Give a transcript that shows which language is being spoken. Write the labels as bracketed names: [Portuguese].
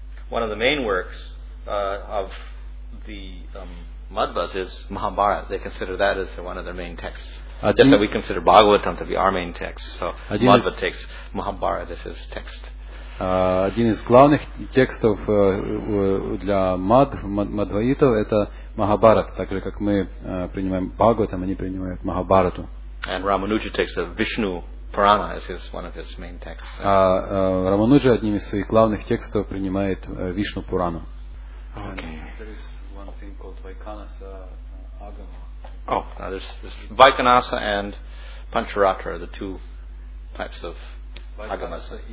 [English] One of the main works of the Madhvas is Mahabharata. They consider that as one of their main texts. Just that we consider Bhagavatam to be our main text. So Madhva takes Mahabharata as his text. [Russian] Один из главных текстов для мадхваитов это Махабхарата, так же как мы принимаем Бхагаватам, они принимают Махабхарату. [English] And Ramanuja takes the Vishnu Purana as his one of his main texts. [Russian] Рамануджа одним из своих главных текстов принимает Вишну Пурану. [English] Okay. There is one thing called Vaikanasa Agama. Oh, there's Vaikanasa and Pancharatra, the two types of Agamas.